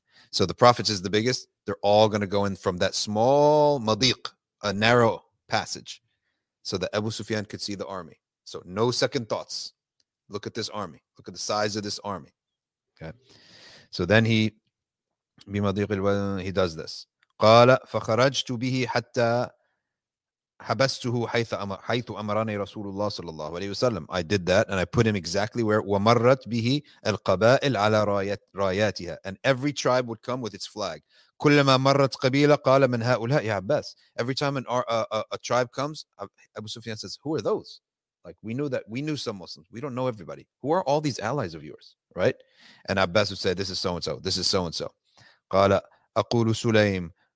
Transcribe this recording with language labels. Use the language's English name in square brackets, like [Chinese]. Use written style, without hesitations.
[English] So the Prophet's is the biggest. They're all going to go in from that small madiq, a narrow passage, so that Abu Sufyan could see the army. So no second thoughts. Look at this army. Look at the size of this army. Okay. So then he, [Arabic] بمضيق الوادي, [English] he does this. [Arabic] قال فخرجت به حتى حبسته حيث أمرني رسول الله صلى الله عليه وسلم. [English] I did that and I put him exactly where [Arabic] ومرت به القبائل على راياتها. [English] And every tribe would come with its flag. [Arabic] كلما مرت قبيلة قال من هؤلاء يا عباس. [English] Every time a tribe comes, Abu Sufyan says, who are those? Like, we knew some Muslims. We don't know everybody. Who are all these allies of yours, right? And Abbas would say, this is so-and-so. This is so-and-so. [Arabic] Qala aqulu Sulaim.